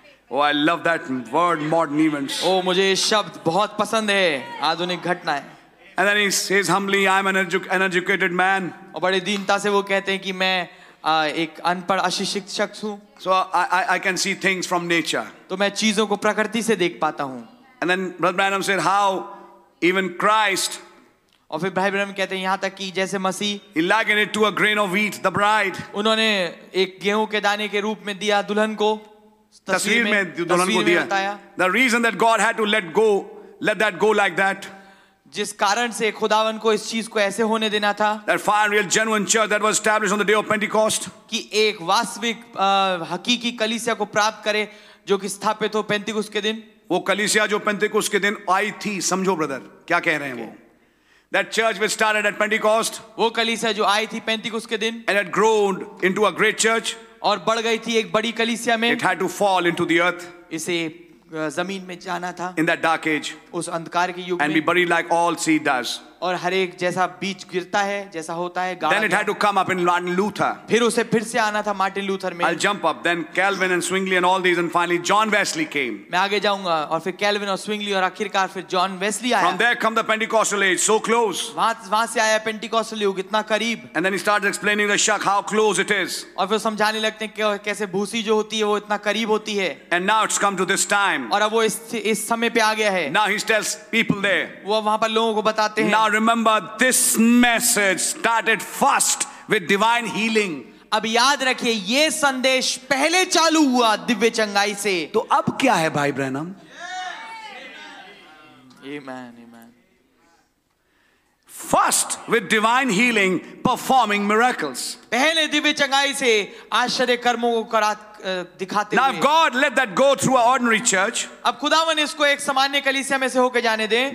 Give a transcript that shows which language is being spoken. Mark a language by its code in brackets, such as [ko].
[en] Oh, I love that word, modern events. [hi] Oh, मुझे ये शब्द बहुत पसंद है. आधुनिक घटनाएं. [en] And then he says humbly, "I'm an educated man." [hi] और बड़े दीनता से वो कहते हैं कि मैं एक अनपढ़ अशिक्षित शख्स हूँ. [en] So I can see things from nature. [hi] तो मैं चीजों को प्रकृति से देख पाता हूँ. [en] And then Brother Branham said, "How even Christ?" [hi] और फिर भाई ब्रह्म कहते हैं यहाँ तक कि जैसे मसीह. [en] He likened it to a grain of wheat, the bride. [hi] उन्होंने एक गेहूं के दाने के रूप में दिया दुल्हन को. तस्वीर में दुल्हन को दिया. [en] The reason that God had to let that go like that. [hi] जिस कारण से खुदावन को इस चीज को ऐसे होने देना था. [en] That fire, real, genuine church that was established on the day of Pentecost. [hi] कि एक वास्तविक हकीकी कलीसिया को प्राप्त करे जो कि स्थापित हो पेंतिकुस के दिन. वो कलीसिया जो पेंतिकुस के दिन आई थी, समझो ब्रदर क्या कह रहे हैं वो. [en] That church which started at Pentecost. [hi] वो कलीसिया जो आई थी पेंतिकुस के दिन. [en] And had grown into a great church. [hi] और बढ़ गई थी एक बड़ी कलीसिया में. [en] It had to fall into the earth. [hi] इसे जमीन में जाना था. [en] In that dark age. [hi] उस अंधकार के युग में. [en] And be buried like all seed does. [hi] और हर एक जैसा बीज गिरता है, जैसा होता है. [en] Then it had to come up in Martin Luther. [hi] फिर उसे फिर से आना था मार्टिन लूथर में. [en] I'll jump up. Then Calvin and Swingley and all these, and finally John Wesley came. [hi] मैं आगे जाऊंगा और फिर Calvin और Swingley और आखिरकार फिर John Wesley आया. [en] From there come the Pentecostal age, so close. [hi] वहाँ से आया Pentecostal युग, इतना करीब. [en] And then he starts explaining the shuck, how close it is. [hi] और फिर समझाने लगते हैं कि कैसे भूसी जो होती है वो इतना करीब होती है. [en] And now it's come to this time. [hi] और अब वो इस समय पे आ गया है. [en] Now he tells people there. [hi] वो वहाँ पर लोगों को बताते हैं. [en] Remember, this message started first with divine healing. [hi] अब याद रखिए, ये संदेश पहले चालू हुआ दिव्य चंगाई से. तो अब क्या है भाई Branham? [en] Amen, amen. First with divine healing, performing miracles. [hi] पहले दिव्य चंगाई से आश्चर्य कर्मों को करा दिखाते. [en] Now God let that go through our ordinary church. [hi] अब खुदावन इसको एक सामान्य कलीसिया में से होकर जाने दें.